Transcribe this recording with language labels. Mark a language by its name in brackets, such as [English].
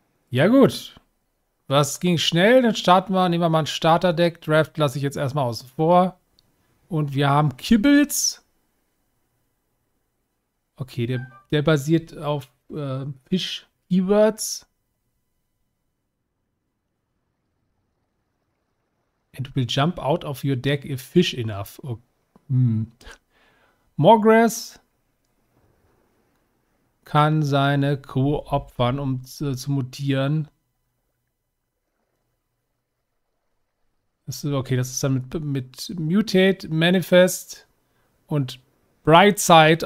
[German] Ja gut. Was ging schnell? Dann starten wir, nehmen wir mal ein Starterdeck. Draft lasse ich jetzt erstmal außen vor. Und wir haben Kibbles. Okay, der basiert auf Fisch-Keywords. [English] And will jump out of your deck if fish enough. [German] Oh, Morgrass kann seine Crew opfern, um zu mutieren. Das ist okay, das ist dann mit Mutate, Manifest und Brightside.